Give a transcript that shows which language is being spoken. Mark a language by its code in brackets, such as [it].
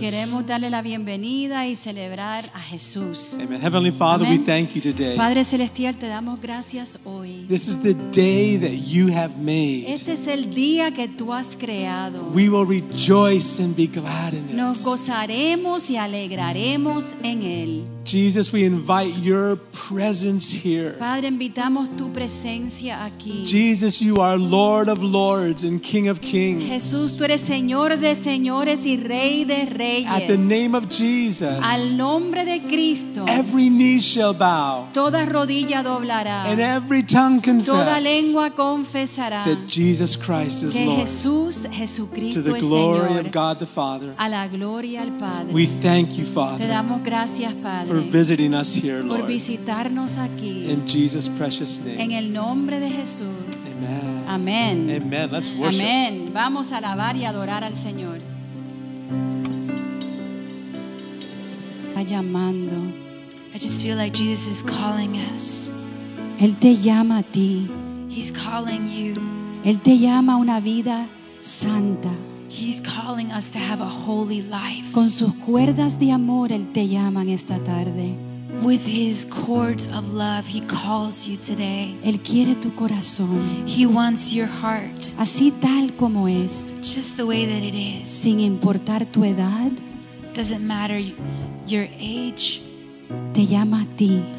[es] Queremos darle la bienvenida y celebrar a Jesús. [en] Amen. Heavenly Father, Amen. We thank you today. [es] Padre celestial, te damos gracias hoy. [en] This is the day that you have made. [es] Este es el día que tú has creado. [en] We will rejoice and be glad in it. [es] Nos gozaremos y alegraremos en él. [en] Jesus, we invite your presence here. [es] Padre, invitamos tu presencia aquí. [en] Jesus, you are Lord of lords and King of kings. [es] Jesús, tú eres Señor de señores y Rey de reyes. [en] At the name of Jesus, [es] al nombre de Cristo, [en] every knee shall bow, [es] toda rodilla doblará, [en] and every tongue confess, [es] toda lengua confesará, [en] that Jesus Christ is [es] que [en] Lord, [es] Jesús, Jesucristo [en] to the [es] es [en] glory [es] Señor, [en] of God the Father. [es] A la gloria al Padre. [en] We thank you, Father, [es] te damos gracias, Padre, [en] for visiting us here, Lord. [es] Por visitarnos aquí. [en] In Jesus' precious name. [es] En el nombre de Jesús. Amen. Amen. [en] Amen. Let's worship. [es] Amen. Vamos a alabar y adorar al Señor. Está llamando. [en] I just feel like Jesus is calling us. [es] Él te llama a ti. [en] He's calling you. [es] Él te llama a una vida santa. [en] He's calling us to have a holy life. [es] Con sus cuerdas de amor, él te llama en esta tarde. [en] With his cords of love, he calls you today. [es] Él quiere tu corazón. [en] He wants your heart. [es] Así tal como es. [en] Just the way that it is. [es] Sin importar tu edad. [en] Doesn't matter your age. [es] Te llama a ti.